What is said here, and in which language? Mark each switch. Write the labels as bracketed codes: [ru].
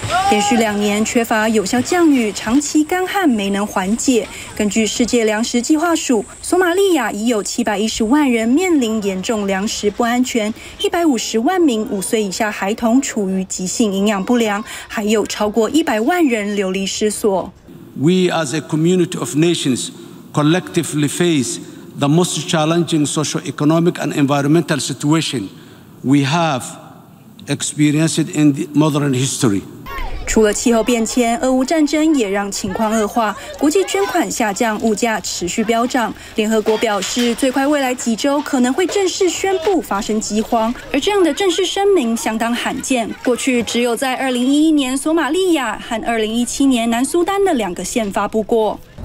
[zh] 连续两年缺乏有效降雨，长期干旱没能缓解。根据世界粮食计划署，索马利亚已有710万人面临严重粮食不安全，150万名5岁以下孩童处于急性营养不良，还有超过100万人流离失所。 [en] We as a community of nations collectively face the most challenging socio-economic and environmental situation we have experienced in modern history. [zh] 除了气候变迁，俄乌战争也让情况恶化，国际捐款下降，物价持续飙涨。联合国表示，最快未来几周可能会正式宣布发生饥荒，而这样的正式声明相当罕见。过去只有在2011年索马利亚和2017年南苏丹的两个县发布过。